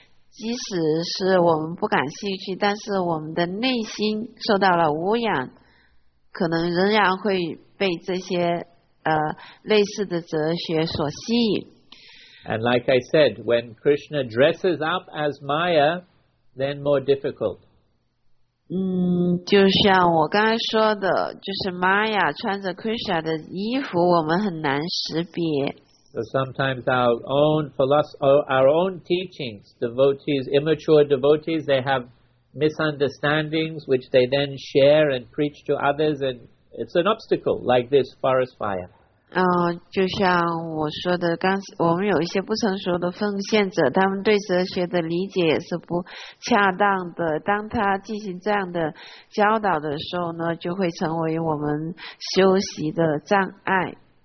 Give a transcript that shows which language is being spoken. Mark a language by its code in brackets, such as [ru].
[zh] 即使是我们不感兴趣，但是我们的内心受到了污染，可能仍然会被这些类似的哲学所吸引。 [en] And like I said, when Krishna dresses up as Maya, then more difficult. [zh] 就像我刚才说的，就是 Maya 穿着 Krishna 的衣服，我们很难识别。 [en] So sometimes our own philosophy, our own teachings, devotees, immature devotees, they have misunderstandings which they then share and preach to others, and it's an obstacle like this forest fire. [zh] 就像我说的，刚才我们有一些不成熟的奉献者，他们对哲学的理解也是不恰当的。当他进行这样的教导的时候呢，就会成为我们修习的障碍。